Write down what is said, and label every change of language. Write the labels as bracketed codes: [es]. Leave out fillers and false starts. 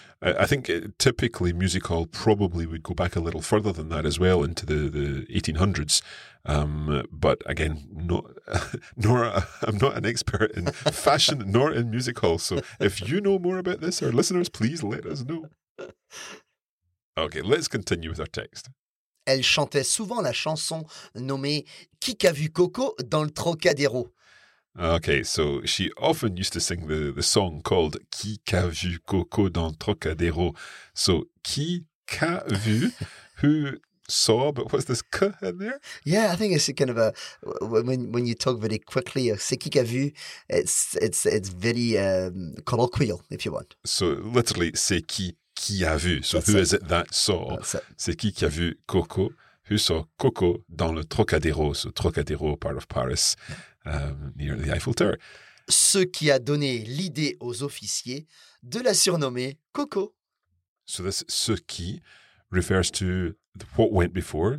[en] I think typically music hall probably would go back a little further than that as well into the 1800s. But again, I'm not an expert in fashion nor in music hall. So if you know more about this, our listeners, please let us know. Okay, let's continue with our text. [fr] Elle chantait souvent la chanson nommée « Qui qu'a vu Coco dans le Trocadéro ?» [en] Okay, so she often used to sing the song called [fr] Qui qu'a vu Coco dans Trocadéro? [en] So, [fr] qui qu'a vu, [en] who saw, but what's this que in there? Yeah, I think it's a kind of a, when you talk very quickly, [fr] c'est qui qu'a vu, [en] it's very colloquial, if you want. So, literally, [fr] c'est qui a vu, [en] so That's who it. Is it that saw? That's it. [fr] C'est qui a vu Coco? [en] Who saw Coco [fr] dans le Trocadéro, [en] so Trocadéro, part of Paris, near the Eiffel Tower. [fr] Ce qui a donné l'idée aux officiers de la surnommer Coco. [en] So this [fr] ce qui [en] refers to what went before.